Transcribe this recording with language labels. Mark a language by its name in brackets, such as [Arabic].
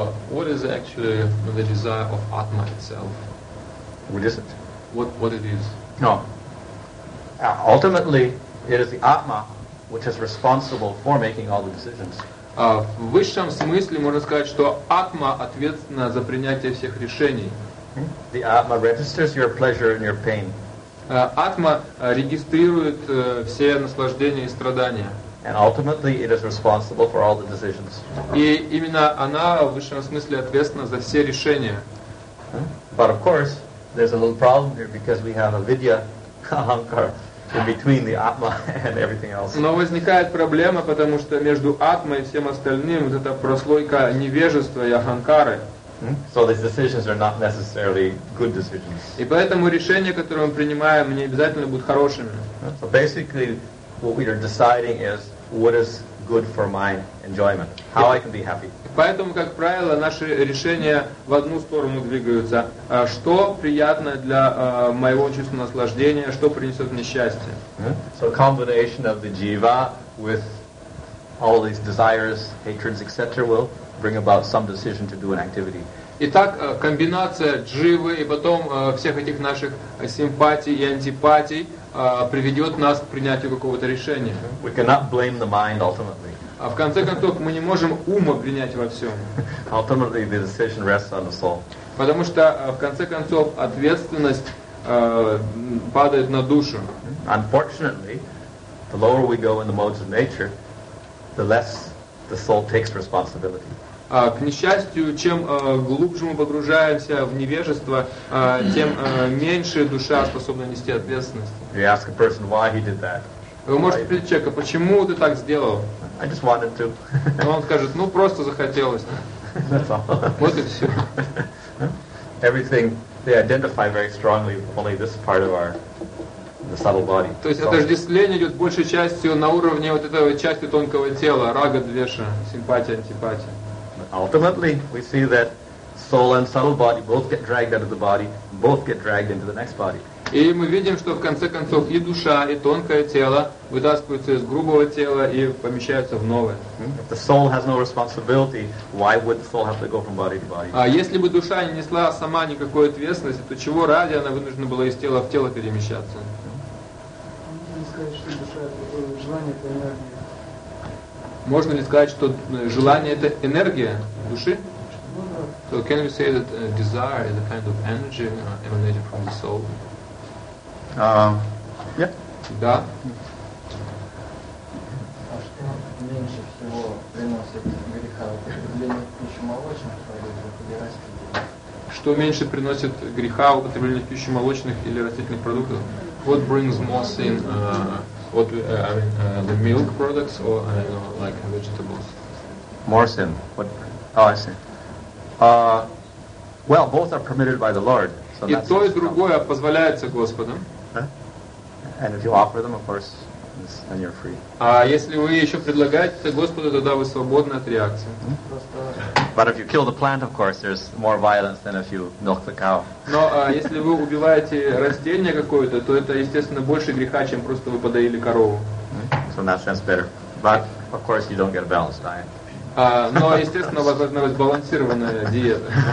[English] What is actually the desire of Atma itself? What is it? What it is? No. Ultimately, it is the Atma which is responsible for making all the decisions. [Russian] В высшем смысле можно сказать, что Атма ответственна за принятие всех решений. [English] The Atma registers your pleasure and your pain. [Russian] Атма регистрирует все наслаждения и страдания. [English] And ultimately it is responsible for all the decisions. [Russian] И именно она в высшем смысле ответственна за все решения. [English] But of course, there's a little problem here because we have avidya, ahankara in between the Atma and everything else. [Russian] Но возникает проблема, потому что между Атмой и всем остальным вот эта прослойка невежества и аханкары. [English] So these decisions are not necessarily good decisions. [Russian] И поэтому решения, которые мы принимаем, не обязательно будут хорошими. [English] So basically, what we are deciding is what is good for my enjoyment, how I can be happy. [Russian] Поэтому, как правило, наши решения в одну сторону двигаются. Что приятно для моего чувственного наслаждения, что принесет мне счастье. [English] So a combination of the jiva with all these desires, hatreds, etc. will bring about some decision to do an activity. [Russian] Итак, комбинация дживы и потом всех этих наших симпатий и антипатий приведет нас к принятию какого-то решения. [English] We cannot blame the mind ultimately. [Russian] А в конце концов мы не можем ум обвинять во всем. [English] Ultimately, the decision rests on the soul. [Russian] Потому что в конце концов ответственность падает на душу. [English] Unfortunately, the lower we go in the modes of nature, the less the soul takes responsibility. [Russian] К несчастью, чем глубже мы погружаемся в невежество, тем меньше душа способна нести ответственность. [English] You ask a person why he did that. [Russian] Вы можете спросить человека, почему ты так сделал? [English] I just wanted to. [Russian] Но он скажет, ну просто захотелось. [English] That's all. [Russian] Вот и все. [English] Everything they identify very strongly only this part of our the subtle body. [Russian] То есть отождествление идет большей частью на уровне вот этой части тонкого тела, рага, двеша, симпатия, антипатия. [English] Ultimately, we see that soul and subtle body both get dragged out of the body, both get dragged into the next body. [Russian] И мы видим, что в конце концов и душа, и тонкое тело вытаскиваются из грубого тела и помещаются в новое. [English] If the soul has no responsibility, why would the soul have to go from body to body? [Russian] А если бы душа не несла сама никакой ответственности, то чего ради она вынуждена была из тела в тело перемещаться? Можно сказать, что душа — это желание, это энергия. Можно ли сказать, что желание — это энергия души? Можно. [English] So can we say that desire is a kind of energy emanating from the soul? Yeah. [Russian] Да. А что меньше всего приносит греха? Употребление пищи молочных продуктов или растительных? Что меньше приносит греха? Употребление пищи молочных или растительных продуктов? [English] What brings more sin? The milk products or like vegetables? More sin. What? Oh, I see. Well, both are permitted by the Lord. So [Russian] и то, и другое позволяется Господом. [English] Huh? And if you offer them, of course, then you're free. [Russian] А если вы еще предлагаете Господу, тогда вы свободны от реакции. [English] But if you kill the plant, of course, there's more violence than if you milk the cow. [Russian] Но если вы убиваете растение какое-то, то это, естественно, больше греха, чем просто вы подоили корову. [English] So in that sense, better. But, of course, you don't get a balanced diet. [Russian] Но, естественно, возможно, есть балансированная диета.